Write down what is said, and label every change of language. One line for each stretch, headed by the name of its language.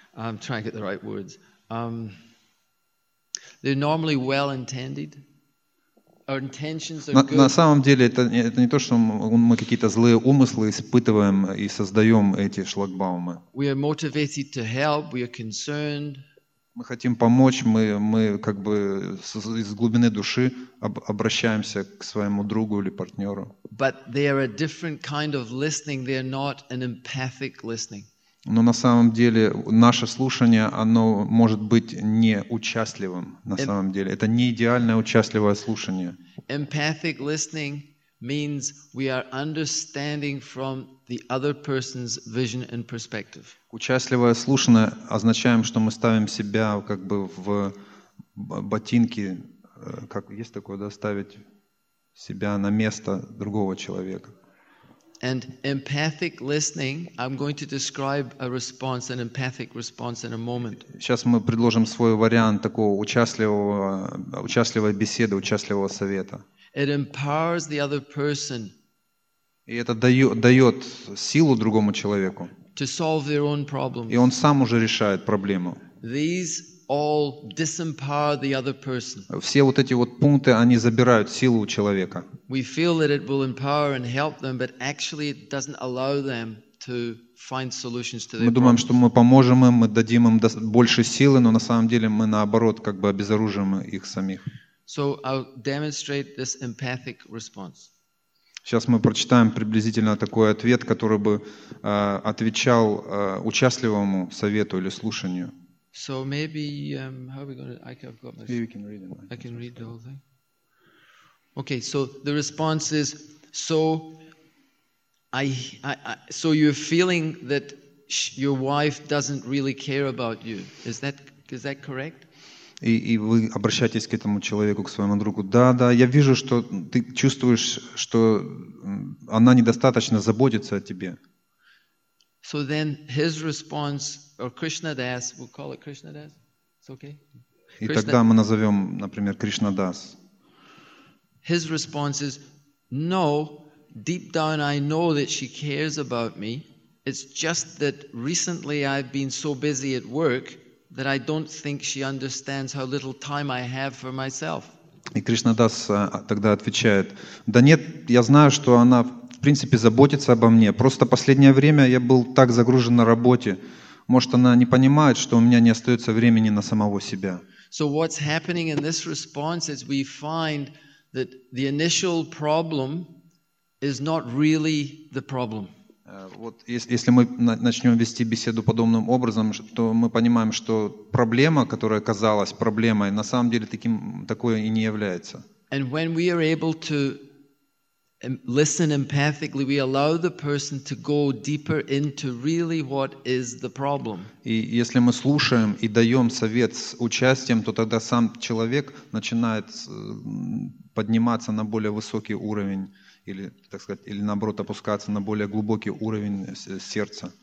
English: I'm trying to get the right words. They're normally well-intended. Our intentions are good.
Russian: На самом деле это не то, что мы какие-то злые умыслы испытываем и создаем эти шлагбаумы.
English: We are motivated to help. We are concerned.
Russian: Мы хотим помочь. Мы как бы из глубины души обращаемся к своему другу или партнеру.
English: But they are a different kind of listening. They are not an empathic listening.
Russian: Но на самом деле наше слушание, оно может быть не участливым на самом деле. Это не идеальное участливое слушание.
English: Empathic listening means we are understanding from the other person's vision and perspective.
Russian: Участливое слушание означает, что мы ставим себя как бы в ботинки, как есть такое, да, ставить себя на место другого человека.
English: And empathic listening, I'm going to describe a response, an empathic response in a moment.
Russian: Сейчас мы предложим свой вариант такого участливой беседы, участливого совета.
English: It empowers the other person.
Russian: И это дает силу другому человеку.
English: To solve their own problems.
Russian: И он сам уже решает проблему.
English: These all disempower the other person.
Russian: Все вот эти вот пункты, они забирают силу у человека.
English: We feel that it will empower and help them, but actually it doesn't allow them to find solutions to their problems.
Russian: Мы думаем, что мы поможем им, мы дадим им больше силы, но на самом деле мы наоборот как бы обезоружим их самих.
English: So I'll demonstrate this empathic response.
Russian: Сейчас мы прочитаем приблизительно такой ответ, который бы отвечал участливому совету или слушанию.
English: So maybe how are we going to? I've got this. Maybe we can read it. I can read the whole thing. Okay. So the response is: So you're feeling that your wife doesn't really care about you. Is that correct?
Russian: И вы обращаетесь к этому человеку, к своему другу. Да, да. Я вижу, что ты чувствуешь, что она недостаточно заботится о тебе.
English: So then his response. Or Krishna Das, we'll call it Krishna Das. It's okay.
Russian: И тогда мы назовем, например, Krishna Das.
English: His response is, no, deep down I know that she cares about me. It's just that recently I've been so busy at work that I don't think she understands how little time I have for myself.
Russian: И Krishna Das тогда отвечает, да нет, я знаю, что она в принципе заботится обо мне. Просто последнее время я был так загружен на работе. Может, она не понимает, что у меня не остается времени на самого себя.
English: So what's happening in this response is we find that the initial problem is not really the problem.
Russian: Вот если мы начнем вести беседу подобным образом, то мы понимаем, что проблема, которая казалась проблемой, на самом деле такой и не является.
English: And when we are able to listen empathically, we allow the person to go deeper into really what is the problem.
Russian: И если мы слушаем и даем совет с участием, то тогда сам человек начинает подниматься на более высокий уровень или, так сказать, или наоборот опускаться на более глубокий уровень сердца.